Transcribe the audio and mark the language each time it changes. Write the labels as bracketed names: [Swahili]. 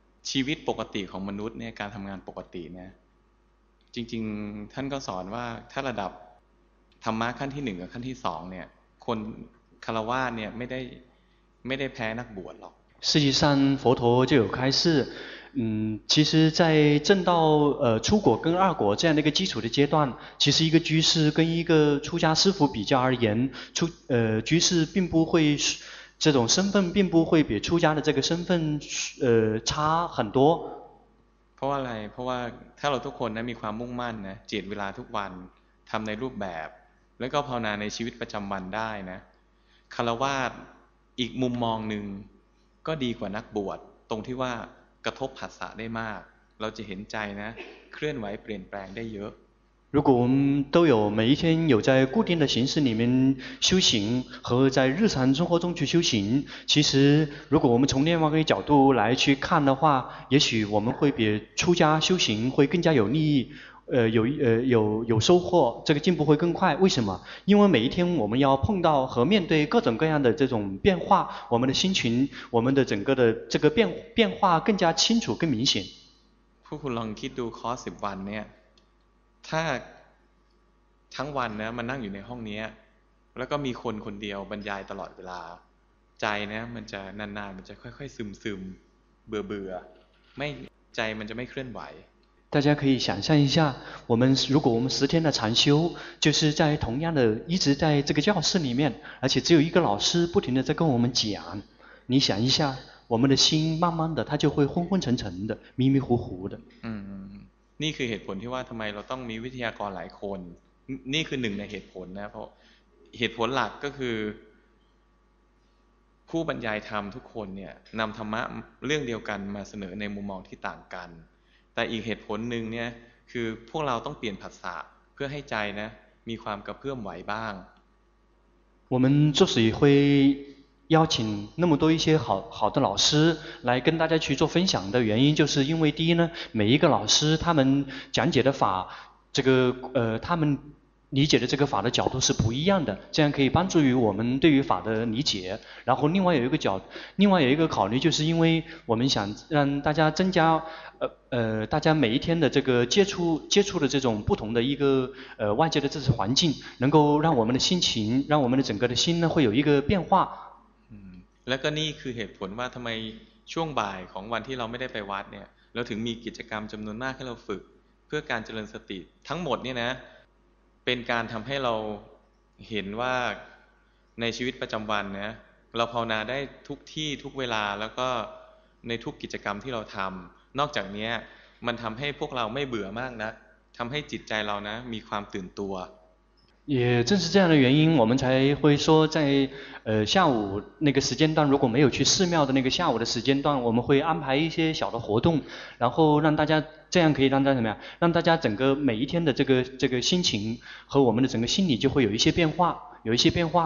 [Thai] ชีวิตปกติของมนุษย์เนี่ยการทำงานปกติเนี่ยจริงๆท่านก็สอนว่าถ้าระดับธรรมะขั้นที่หนึ่งกับขั้นที่สองเนี่ยคนคารวะเนี่ยไม่ได้แพ้นักบวชหรอก [Chinese] 事实上佛陀就有开示其实在正道初果跟二果这样的一个基础的阶段其实一个居士跟一个出家师父比较而言居士并不会这种身份并不会比出家的这个身份差很多 [Thai] เพราะอะไรเพราะว่าถ้าเราทุกคนนะมีความมุ่งมั่นนะเจตเวลาทุกวันทำในรูปแบบแล้วก็ภาวนาในชีวิตประจำวันได้นะคารวะอีกมุมมองหนึ่งก็ดีกว่านักบวชตรงที่ว่ากระทบผัสสะได้มากเราจะเห็นใจนะเคลื่อนไหวเปลี่ยนแปลงได้เยอะ [Chinese] 如果我们都有每一天有在固定的形式里面修行和在日常生活中去修行其实如果我们从另外一个角度来去看的话也许我们会比出家修行会更加有利益有收获这个进步会更快为什么因为每一天我们要碰到和面对各种各样的这种变化我们的心情我们的整个的这个变化更加清楚更明显 [Thai] ผู้ลองคิดดูคอร์ส10วันเนี่ยถ้าทั้งวันนะมันนั่งอยู่ในห้องนี้แล้วก็มีคนคนเดียวบรรยายตลอดเวลาใจนะมันจะนานๆมันจะค่อยๆซึมเบื่อๆไม่ใจมันจะไม่เคลื่อนไหว [Chinese] 大家可以想象一下我们如果我们十天的禅修就是在同样的一直在这个教室里面而且只有一个老师不停的在跟我们讲你想一下我们的心慢慢的它就会昏昏沉沉的迷迷糊糊的 [Thai] นี่คือเหตุผลที่ว่าทำไมเราต้องมีวิทยากรหลายคนนี่คือหนึ่งในเหตุผลนะเพราะเหตุผลหลักก็คือผู้บรรยายธรรมทุกคนเนี่ยนำธรรมะเรื่องเดียวกันมาเสนอในมุมมองที่ต่างกันแต่อีกเหตุผลหนึ่งเนี่ยคือพวกเราต้องเปลี่ยนผัสสะเพื่อให้ใจนะมีความกระเพื่อมไหวบ้าง [Chinese] 我们之所以会邀请那么多一些 好的老师来跟大家去做分享的原因，就是因为第一呢，每一个老师他们讲解的法，这个他们理解的这个法的角度是不一样的，这样可以帮助于我们对于法的理解。然后另外有一个角，另外有一个考虑，就是因为我们想让大家增加大家每一天的这个接触的这种不同的一个外界的这种环境，能够让我们的心情，让我们的整个的心呢会有一个变化。 [Thai] แล้วก็นี่คือเหตุผลว่าทำไมช่วงบ่ายของวันที่เราไม่ได้ไปวัดเนี่ยเราถึงมีกิจกรรมจำนวนมากให้เราฝึกเพื่อการเจริญสติทั้งหมดเนี่ยนะเป็นการทำให้เราเห็นว่าในชีวิตประจำวันนะเราภาวนาได้ทุกที่ทุกเวลาแล้วก็ในทุกกิจกรรมที่เราทำนอกจากนี้มันทำให้พวกเราไม่เบื่อมากนะทำให้จิตใจเรานะมีความตื่นตัว [Chinese] 也正是这样的原因，我们才会说在下午那个时间段，如果没有去寺庙的那个下午的时间段，我们会安排一些小的活动，然后让大家这样可以让大家怎么样，让大家整个每一天的这个心情和我们的整个心理就会有一些变化，有一些变化。